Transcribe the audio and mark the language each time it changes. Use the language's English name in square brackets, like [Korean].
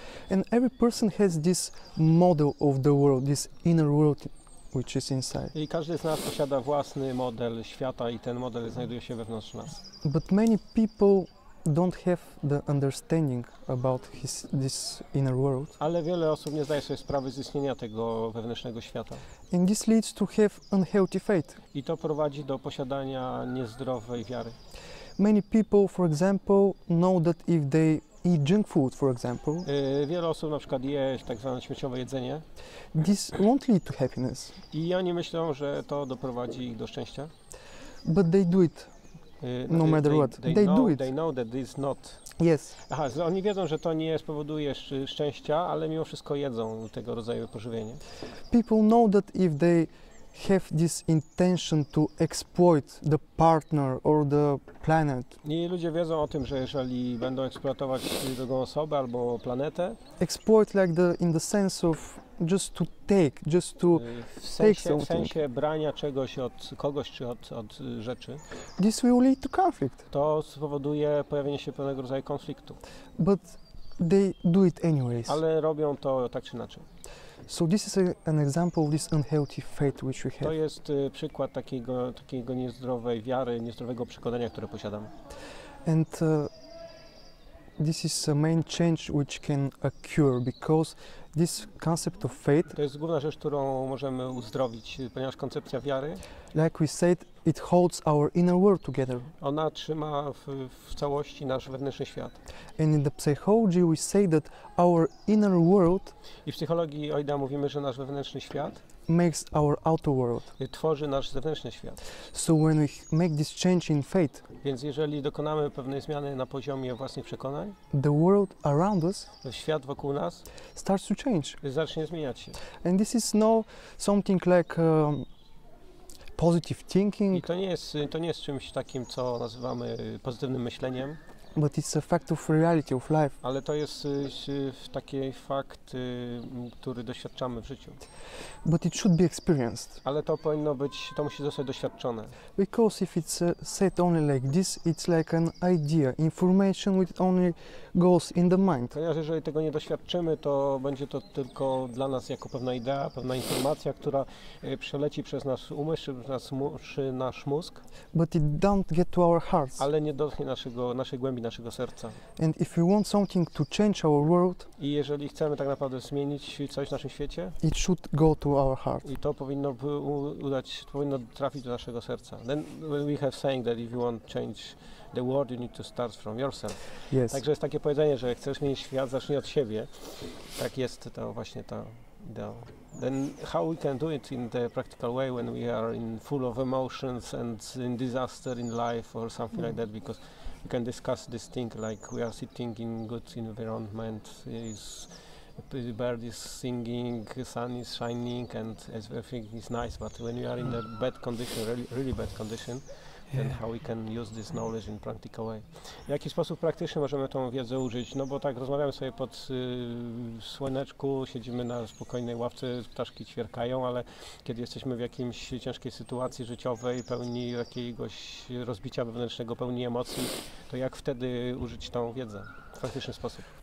[English] And every person has this model of the world, this inner world which is inside. [Polish] I każdy z nas posiada własny model świata i ten model znajduje się wewnątrz nas. [English] But many people don't have the understanding about this inner world. [Polish] Ale wiele osób nie zdaje sobie sprawy z istnienia tego wewnętrznego świata. [English] And this leads to have unhealthy faith. [Polish] I to prowadzi do posiadania niezdrowej wiary. [English] Many people, for example, know that if they eat junk food, for example, [Polish] wiele osób na przykład je tak zwane śmieciowe jedzenie. [English] This won't lead to happiness. [Polish] I oni myślą, że to doprowadzi ich do szczęścia. [English] But they do it. No matter what, they do it. They know that this is not. Yes. [Polish] Aha, oni wiedzą, że to nie spowoduje szczęścia, ale mimo wszystko jedzą tego rodzaju pożywienie. [English] People know that if they have this intention to exploit the partner or the planet. [Polish] Nie, ludzie wiedzą o tym, że jeżeli będą eksploatować drugą osobę albo planetę. [English] Exploit like the in the sense of just to take, just to take something. [Polish] W sensie brania czegoś od kogoś czy od rzeczy. [English] This will lead to conflict. [Polish] To spowoduje pojawienie się pewnego rodzaju konfliktu. [English] But they do it anyways. [Polish] Ale robią to tak czy inaczej. [English] So this is an example of this unhealthy faith which we have. [Polish] To jest przykład takiego niezdrowej wiary, niezdrowego przekonania, które posiadam. [English] And this is a main change which can occur because this concept of faith. [Polish] To jest główna rzecz, którą możemy uzdrowić, ponieważ koncepcja wiary. [English] Like we said, it holds our inner world together. [Polish] Ona trzyma w całości nasz wewnętrzny świat. [English] And in the psychology we say that our inner world. [Polish] I w psychologii Ouida mówimy, że nasz wewnętrzny świat. [English] Makes our outer world. [Polish] Tworzy nasz zewnętrzny świat. [English] So when we make this change in faith. [Polish] Więc jeżeli dokonamy pewnej zmiany na poziomie własnych przekonań. [English] The world around us. [Polish] Świat wokół nas. [English] Starts to change. [Polish] Zacznie zmieniać się. [English] And this is no something like positive thinking. [Polish] I to nie jest czymś takim, co nazywamy pozytywnym myśleniem. [English] But it's a fact of reality of life. [Polish] Ale to jest taki fakt, który doświadczamy w życiu. [English] But it should be experienced. [Polish] Ale to powinno być, to musi zostać doświadczone. [English] Because if it's said only like this, it's like an idea, information which only goes in the mind. [Polish] Ponieważ jeżeli tego nie doświadczymy, to będzie to tylko dla nas jako pewna idea, pewna informacja, która przeleci przez nasz umysł, przez nasz mózg. [English] But it don't get to our hearts. [Polish] Ale nie dotknie naszej głębi, naszego serca. [English] And if we want something to change our world, [Polish] i jeżeli chcemy tak naprawdę zmienić coś w naszym świecie, [English] it should go to our heart. [Polish] I to powinno powinno trafić do naszego serca. [English] Then we have saying that if you want change the world, you need to start from yourself. Yes. [Polish] Także jest takie powiedzenie, że chcesz zmienić świat, zacznij od siebie. Tak jest to właśnie ta idea. [English] Then how we can do it in the practical way when we are in full of emotions and in disaster in life or something like that, because we can discuss this thing like we are sitting in good environment, the bird is singing, the sun is shining and everything is nice, but when you are in a bad condition, really, really bad condition, then how we can use this knowledge in practical way. [Polish] W jaki sposób praktycznie możemy tą wiedzę użyć? No bo tak rozmawiamy sobie pod słoneczku, siedzimy na spokojnej ławce, ptaszki ćwierkają, ale kiedy jesteśmy w jakiejś ciężkiej sytuacji życiowej, pełni jakiegoś rozbicia wewnętrznego, pełni emocji, to jak wtedy użyć tą wiedzę w praktyczny sposób?